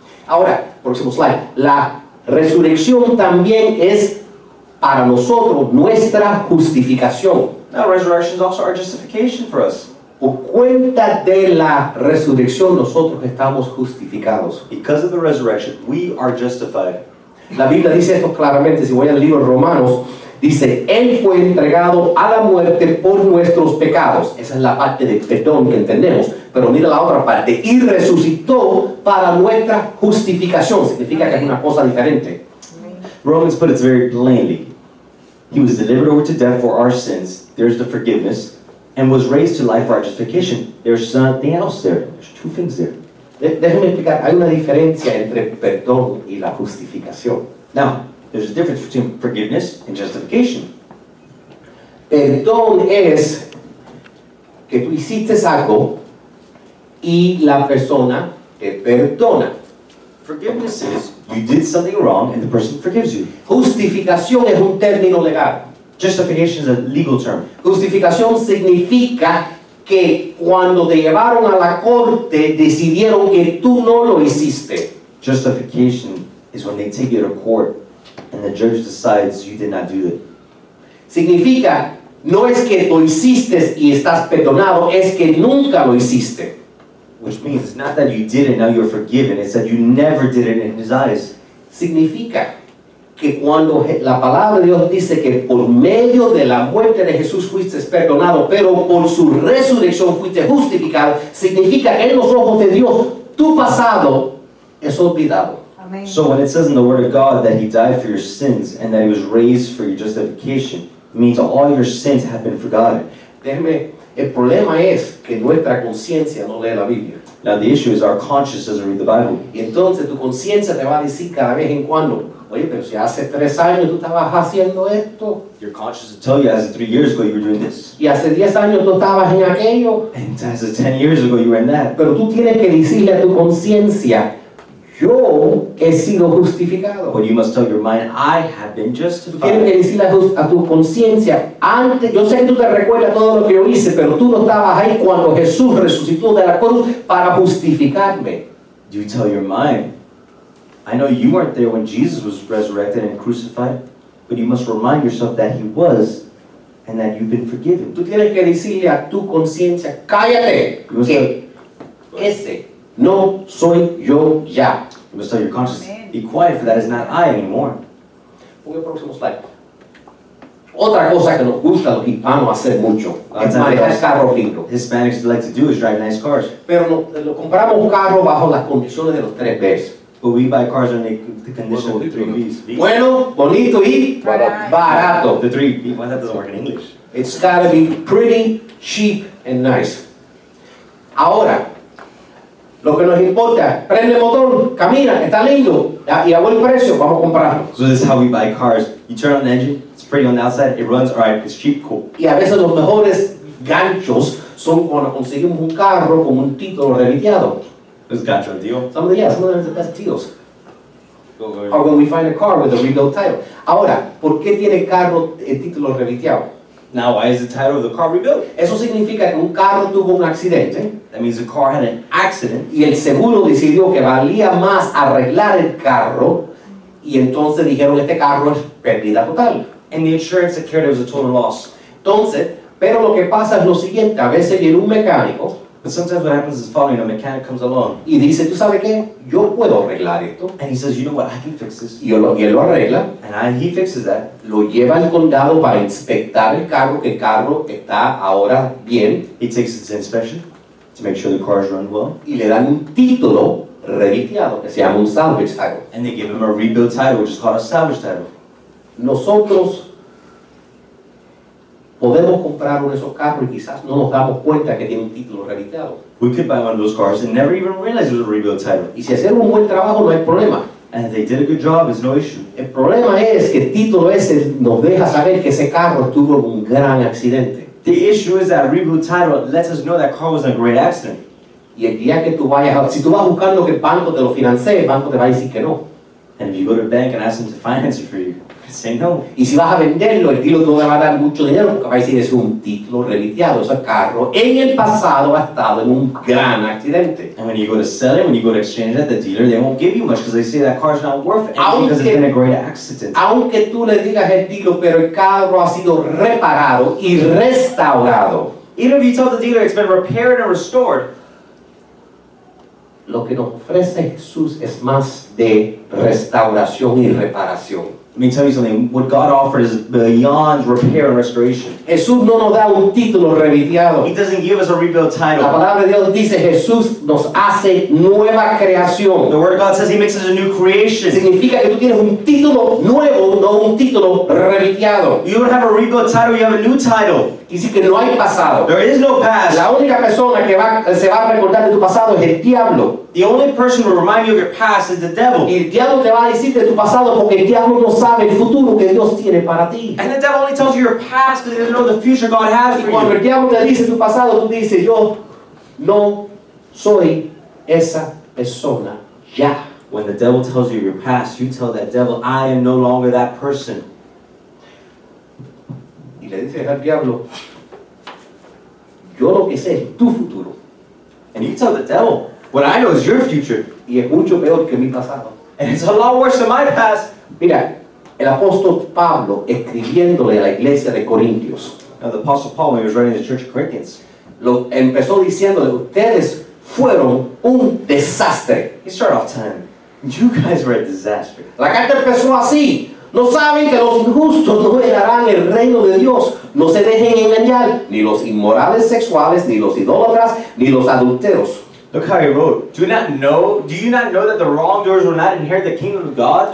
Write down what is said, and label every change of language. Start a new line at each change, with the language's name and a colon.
Spanish: Ahora, próximo slide. La resurrección también es para nosotros nuestra justificación.
English: Now, resurrection is also our justification for us.
Spanish: Por cuenta de la resurrección, nosotros estamos justificados.
English: Because of the resurrection, we are justified.
Spanish: La Biblia dice esto claramente. Si voy al libro de Romanos, dice, Él fue entregado a la muerte por nuestros pecados. Esa es la parte del perdón que entendemos. Pero mira la otra parte. Y resucitó para nuestra justificación. Significa que es una cosa diferente.
English: Romans put it very plainly. He was delivered over to death for our sins. There's the forgiveness. And was raised to life for our justification. There's something else there. There's 2 things there.
Spanish: Déjame explicar. Hay una diferencia entre perdón y la justificación.
English: Now, there's a difference between forgiveness and justification.
Spanish: Perdón es que tú hiciste algo y la persona te perdona.
English: Forgiveness is you did something wrong and the person forgives you.
Spanish: Justificación es un término legal.
English: Justification is a legal term.
Spanish: Justificación significa que cuando te llevaron a la corte decidieron que tú no lo hiciste.
English: Justification is when they take you to court and the judge decides you did not do it.
Spanish: Significa no es que lo hiciste y estás perdonado, es que nunca lo hiciste.
English: Which means it's not that you did it, now you're forgiven. It's that you never did it in his eyes.
Spanish: Significa que cuando la palabra de Dios dice que por medio de la muerte de Jesús fuiste perdonado, pero por su resurrección fuiste justificado, significa que en los ojos de Dios tu pasado es olvidado.
English: So when it says in the word of God that he died for your sins and that he was raised for your justification, it means all your sins have been forgotten.
Spanish: Déjeme, el problema es que nuestra conciencia no lee la Biblia.
English: Now the issue is our conscience doesn't read the Bible.
Spanish: Y entonces tu conciencia te va a decir cada vez en cuando, oye, pero si hace 3 años tú estabas haciendo esto.
English: Your conscience will tell you, as 3 years ago you were doing this.
Spanish: Y hace 10 años tú estabas en aquello.
English: And as 10 years ago you were in that.
Spanish: Pero tú tienes que decirle a tu conciencia, yo he sido justificado.
English: But you must tell your mind, I have been justified.
Spanish: Tienes que decirle a tu conciencia, antes, yo sé que tú te recuerdas todo lo que yo hice, pero tú no estabas ahí cuando Jesús resucitó de la cruz para justificarme.
English: You tell your mind, I know you weren't there when Jesus was resurrected and crucified, but you must remind yourself that he was and that you've been forgiven.
Spanish: Tú tienes que decirle a tu conciencia, cállate, que ese no soy yo ya.
English: You must tell your conscience, be quiet, for that is not I anymore.
Spanish: Pon el próximo slide. Otra cosa que nos gusta los hispanos hacer mucho es manejar carros lindos.
English: Hispanics like to do is drive nice cars.
Spanish: Pero lo compramos un carro bajo las condiciones de los 3 B's.
English: But we buy cars under the condition of the 3 B's.
Spanish: Bueno, bonito y barato.
English: The 3 B's. Why that doesn't work in English? It's got to be pretty, cheap, and nice.
Spanish: Ahora, lo que nos importa, prende el motor, camina, está lindo, y a buen precio, vamos a comprarlo.
English: So this is how we buy cars. You turn on the engine, it's pretty on the outside, it runs, all right, it's cheap, cool.
Spanish: Y a veces los mejores ganchos son cuando conseguimos un carro con un título revitiado. It's gancho, tío.
English: Some of the best deals. Or when we find a car with a rebuilt title.
Spanish: Ahora, ¿por qué tiene el carro el título revitiado?
English: Now, why is the title of the car rebuilt?
Spanish: Eso significa que un carro tuvo un accidente.
English: That means the car had an accident.
Spanish: Y el seguro decidió que valía más arreglar el carro. Y entonces dijeron, este carro es pérdida total.
English: And the insurance that carried it was a total loss.
Spanish: Entonces, pero lo que pasa es lo siguiente. A veces viene un mecánico.
English: But sometimes what happens is following, a mechanic comes along.
Spanish: Y dice, ¿tú sabes qué? Yo puedo arreglar esto.
English: And he says, you know what? I can fix this.
Spanish: Y él lo arregla.
English: And he fixes that.
Spanish: Lo lleva al condado para inspectar el carro, que el carro está ahora bien.
English: He takes it to inspection to make sure the cars run well.
Spanish: Y le dan un título revitiado, que se llama un salvage title.
English: And they give him a rebuild title, which is called a salvage title.
Spanish: Nosotros podemos comprar uno de esos carros y quizás no nos damos cuenta que tiene un título revitado.
English: We could buy one of those cars and never even realize it was a rebuild title.
Spanish: Y si hacemos un buen trabajo, no hay problema.
English: And if they did a good job, it's no issue.
Spanish: El problema es que el título ese nos deja saber que ese carro tuvo un gran accidente.
English: The issue is that a rebuild title lets us know that car was in a great accident.
Spanish: Y el día que tú vayas, si tú vas buscando que el banco te lo financie, el banco te va a decir que no.
English: And if you go to a bank and ask them to finance it for you, say no.
Spanish: Y si vas a venderlo, el dealer no te va a dar mucho dinero porque va a decir, es un título revitiado. Ese carro en el pasado ha estado en un gran accidente.
English: And when you go to sell it, when you go to exchange it, the dealer, they won't give you much because they say that car's not worth anything because it's been a great accident.
Spanish: Aunque tú le digas el dealer, pero el carro ha sido reparado y restaurado.
English: Even if you tell the dealer it's been repaired and restored,
Spanish: lo que nos ofrece Jesús es más de restauración y reparación.
English: Let me tell you something. What God offers is beyond repair and restoration.
Spanish: Jesús no nos da un título revitiado.
English: He doesn't give us a rebuilt title.
Spanish: La palabra de Dios dice, Jesús nos hace nueva creación.
English: The word of God says he makes us a new creation.
Spanish: Significa que tú tienes un título nuevo, no un título revitiado.
English: You don't have a rebuilt title, you have a new title.
Spanish: Dice que no hay pasado.
English: There is no past.
Spanish: La única persona que se va a recordar de tu pasado es el diablo.
English: The only person who will remind you of your past is the devil.
Spanish: Y el diablo te va a decir de tu pasado porque el diablo no sabe el futuro que Dios tiene para ti.
English: And the devil only tells you your past because he doesn't know the future God has for you.
Spanish: Y cuando el diablo te dice tu pasado, tú dices, yo no soy esa persona ya.
English: When the devil tells you your past, you tell that devil, I am no longer that person.
Spanish: Y le dices al diablo, yo lo que sé es tu futuro.
English: And you tell the devil, what I know is your future.
Spanish: Y es mucho peor que mi pasado.
English: And it's a lot worse than my past.
Spanish: Mira, el apóstol Pablo escribiéndole a la iglesia de Corintios.
English: Now the apostle Paul, when he was writing the church of Corinthians,
Spanish: lo empezó diciéndole, ustedes fueron un desastre.
English: You start off 10. You guys were a disaster.
Spanish: La carta empezó así. No saben que los injustos no heredarán el reino de Dios. No se dejen engañar, ni los inmorales sexuales, ni los idólatras, ni los adulteros.
English: Look how he wrote. Do you not know that the wrongdoers will not inherit the kingdom of God?